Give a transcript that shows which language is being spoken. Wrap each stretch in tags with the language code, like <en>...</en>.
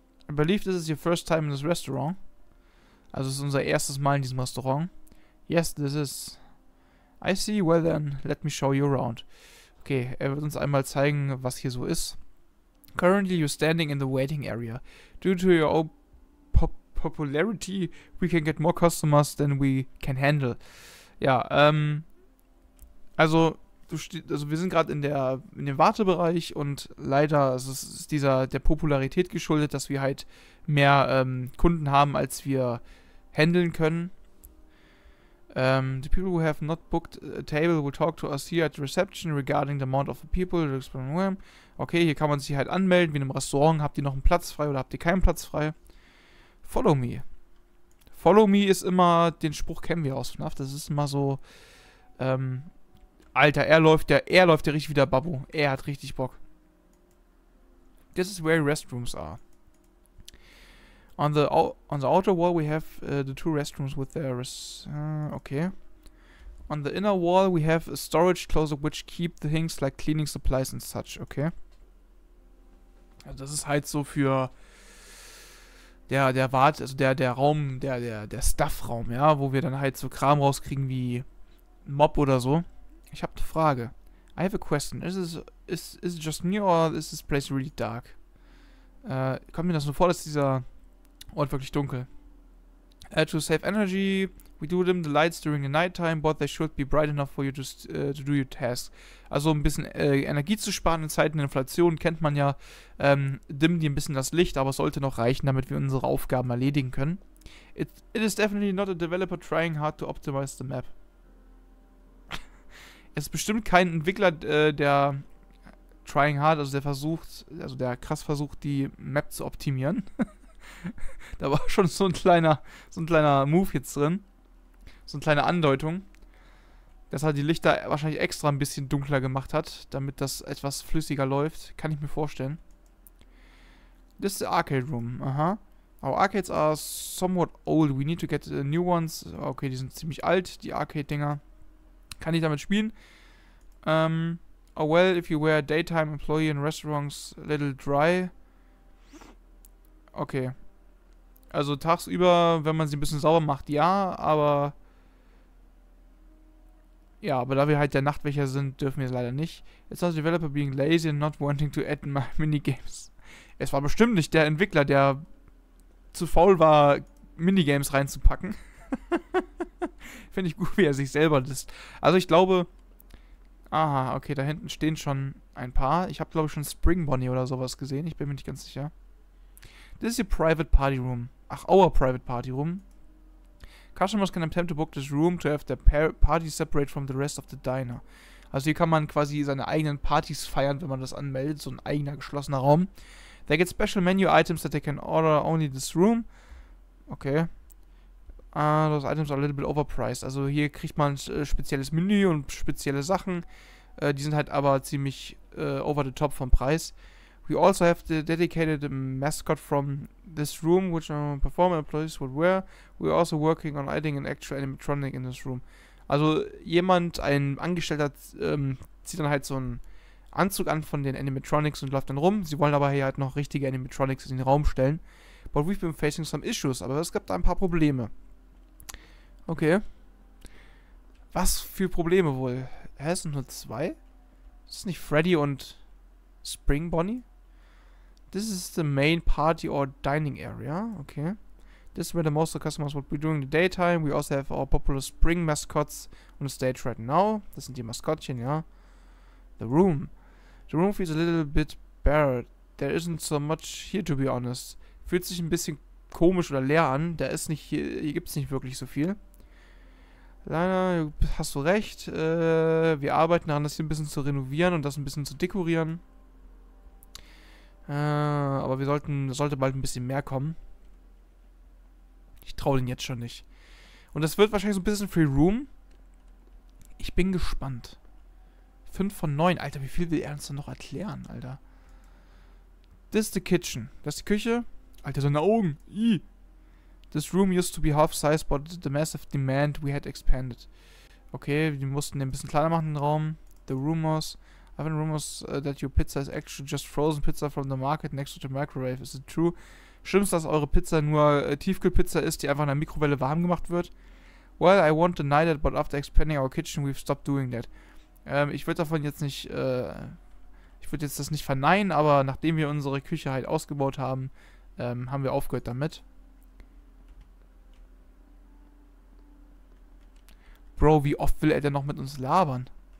<en>I believe this is your first time in this restaurant.</en> <de>Also es ist unser erstes Mal in diesem Restaurant.</de> <en>Yes, this is. I see, well then, let me show you around.</en> <de>Okay, er wird uns einmal zeigen, was hier so ist.</de> <en>Currently you're standing in the waiting area. Due to your own popularity, we can get more customers than we can handle.</en> <de>Ja, wir sind gerade in dem Wartebereich und leider ist es der Popularität geschuldet, dass wir halt mehr Kunden haben, als wir handeln können.</de> <en>The people who have not booked a table will talk to us here at the reception regarding the amount of the people.</en> <de>Okay, hier kann man sich halt anmelden, wie in einem Restaurant. Habt ihr noch einen Platz frei oder habt ihr keinen Platz frei?</de> <en>Follow me. Follow me</en> <de>ist immer, den Spruch kennen wir aus FNAF, das ist immer so, Alter, er läuft ja richtig wieder Babu. Er hat richtig Bock.</de> <en>This is where restrooms are. On the outer wall we have the two restrooms with their okay. On the inner wall we have a storage closet which keep the things like cleaning supplies and such, okay.</en> <de>Also das ist halt so für der Staffraum, ja, wo wir dann halt so Kram rauskriegen wie Mob oder so. Ich habe eine Frage.</de> <en>I have a question. Is it just me or is this place really dark?</en> <de>Kommt mir das nur vor, dass dieser Ort wirklich dunkel?</de> <en>To save energy, we do dim the lights during the night time, but they should be bright enough for you to do your task.</en> <de>Also ein bisschen Energie zu sparen in Zeiten der Inflation, kennt man ja. Dimmen die ein bisschen das Licht, aber es sollte noch reichen, damit wir unsere Aufgaben erledigen können.</de> <en>It is definitely not a developer trying hard to optimize the map.</en> <de>Es ist bestimmt kein Entwickler, der</de> <en>trying hard,</en> <de>der krass versucht, die Map zu optimieren. Da war schon so ein kleiner Move jetzt drin. So eine kleine Andeutung. dass er die Lichter wahrscheinlich extra ein bisschen dunkler gemacht hat, damit das etwas flüssiger läuft. Kann ich mir vorstellen.</de> <en>This is the Arcade Room. Aha. Our arcades are somewhat old. We need to get new ones.</en> <de>Okay, die sind ziemlich alt, die Arcade-Dinger. Kann ich damit spielen?</de> <en>Oh well, if you were a daytime employee in restaurants, a little dry. Okay.</en> <de>Also tagsüber, wenn man sie ein bisschen sauber macht, ja, aber. Ja, aber da wir halt der Nachtwächter sind, dürfen wir es leider nicht.</de> <en>It's not the developer being lazy and not wanting to add my minigames.</en> <de>Es war bestimmt nicht der Entwickler, der zu faul war, Minigames reinzupacken. Finde ich gut, wie er sich selber disst. Also ich glaube. Aha, okay, da hinten stehen schon ein paar. Ich habe, glaube ich, schon Spring Bonnie oder sowas gesehen. Ich bin mir nicht ganz sicher.</de> <en>This is your private party room. Ach, our private party room. Customers can attempt to book this room to have their party separate from the rest of the diner.</en> <de>Also hier kann man quasi seine eigenen Partys feiern, wenn man das anmeldet. So ein eigener geschlossener Raum.</de> <en>They get special menu items that they can order only this room. Okay. Ah, those items are a little bit overpriced.</en> <de>Also hier kriegt man spezielles Menü und spezielle Sachen. Die sind halt aber ziemlich</de> <en>over the top</en> <de>vom Preis.</de> <en>We also have the dedicated mascot from this room, which our performer employees would wear. We're also working on adding an actual animatronic in this room.</en> <de>Also jemand, ein Angestellter, zieht dann halt so einen Anzug an von den Animatronics und läuft dann rum. Sie wollen aber hier halt noch richtige Animatronics in den Raum stellen.</de> <en>But we've been facing some issues,</en> <de>aber es gibt da ein paar Probleme. Okay. Was für Probleme wohl? Hä, sind nur zwei? Ist das nicht Freddy und Spring Bonnie?</de> <en>This is the main party or dining area. Okay. This is where the most of the customers would be during the daytime. We also have our popular Spring Mascots on the stage right now.</en> <de>Das sind die Maskottchen, ja.</de> <en>The room. The room feels a little bit bare. There isn't so much here, to be honest.</en> <de>Fühlt sich ein bisschen komisch oder leer an. Da ist nicht hier, hier gibt es nicht wirklich so viel. Leider, hast du recht. Wir arbeiten daran, das hier ein bisschen zu renovieren und das ein bisschen zu dekorieren. Aber wir sollten, das sollte bald ein bisschen mehr kommen. Ich traue den jetzt schon nicht. Und das wird wahrscheinlich so ein bisschen Free Room. Ich bin gespannt. 5 von 9. Alter, wie viel will er uns denn noch erklären, Alter?</de> <en>This is the kitchen.</en> <de>Das ist die Küche. Alter, seine Augen. Ih.</de> <en>This room used to be half size, but the massive demand we had expanded.</en> <de>Okay, wir mussten den ein bisschen kleiner machen, den Raum.</de> <en>The rumors. I've been rumors that your pizza is actually just frozen pizza from the market next to the microwave. Is it true?</en> <de>Stimmt es, dass eure Pizza nur Tiefkühlpizza ist, die einfach in der Mikrowelle warm gemacht wird?</de> <en>Well, I won't deny that, but after expanding our kitchen, we've stopped doing that.</en> <de>Ich würde davon jetzt nicht, ich würde jetzt das nicht verneinen, aber nachdem wir unsere Küche halt ausgebaut haben, haben wir aufgehört damit. Bro, wie oft will er denn noch mit uns labern?</de>